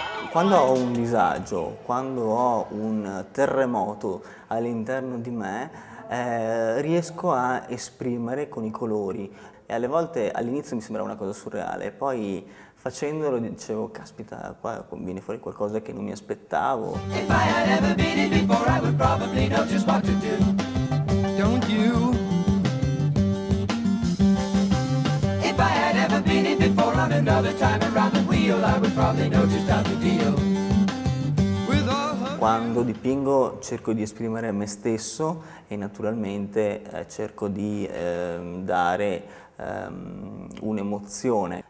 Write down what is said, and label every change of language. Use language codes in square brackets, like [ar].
[it] Quando ho un disagio, quando ho un terremoto all'interno di me, riesco a esprimere con i colori. E alle volte all'inizio mi sembrava una cosa surreale, poi facendolo dicevo, caspita, qua viene fuori qualcosa che non mi aspettavo. [en] If I had ever been it before, I would probably know just what to do. Don't you? If I had ever been it before on another time around the wheel, I would probably know just how to deal. [it] Quando dipingo cerco di esprimere me stesso e naturalmente cerco di dare un'emozione.